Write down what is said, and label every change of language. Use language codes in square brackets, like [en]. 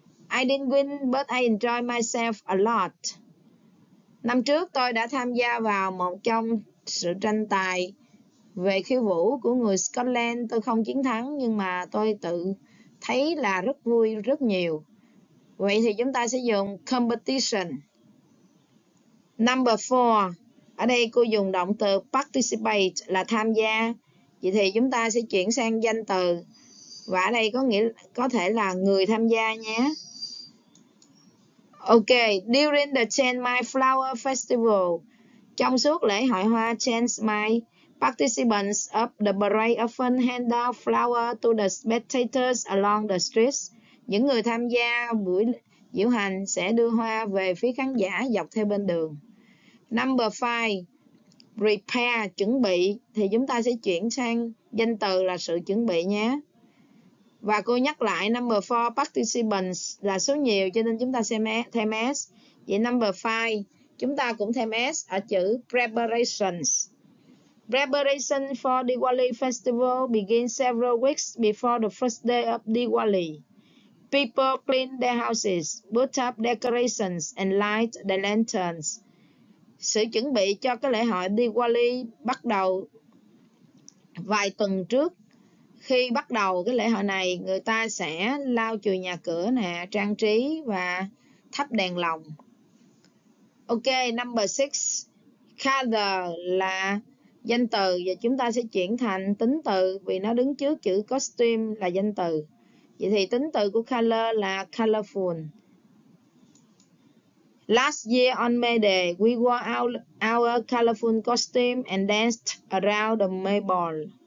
[en] I didn't win, but I enjoy myself a lot. [vi] Năm trước tôi đã tham gia vào một trong sự tranh tài về khiêu vũ của người Scotland. Tôi không chiến thắng nhưng mà tôi tự thấy là rất vui rất nhiều. Vậy thì chúng ta sẽ dùng competition. [en] Number 4. [vi] Ở đây cô dùng động từ participate là tham gia. Vậy thì chúng ta sẽ chuyển sang danh từ. Và ở đây có nghĩa có thể là người tham gia nhé. [en] Ok, during the Chiang Mai Flower Festival, [vi] trong suốt lễ hội hoa Chiang Mai, [en] participants of the parade often hand out flowers to the spectators along the streets. [vi] Những người tham gia buổi diễu hành sẽ đưa hoa về phía khán giả dọc theo bên đường. [en] Number 5, prepare, [vi] chuẩn bị, thì chúng ta sẽ chuyển sang danh từ là sự chuẩn bị nhé. Và cô nhắc lại number 4 participants là số nhiều cho nên chúng ta sẽ thêm s. Vậy number 5 chúng ta cũng thêm s ở chữ preparations. [en] Preparation for Diwali festival begin several weeks before the first day of Diwali. People clean their houses, put up decorations and light the lanterns. [vi] Sự chuẩn bị cho cái lễ hội Diwali bắt đầu vài tuần trước. Khi bắt đầu cái lễ hội này, người ta sẽ lau chùi nhà cửa nè, trang trí và thắp đèn lồng. [en] Ok, number 6. [vi] Color là danh từ và chúng ta sẽ chuyển thành tính từ vì nó đứng trước chữ costume là danh từ. Vậy thì tính từ của color là colorful. [en] Last year on May Day, we wore our colorful costume and danced around the maypole.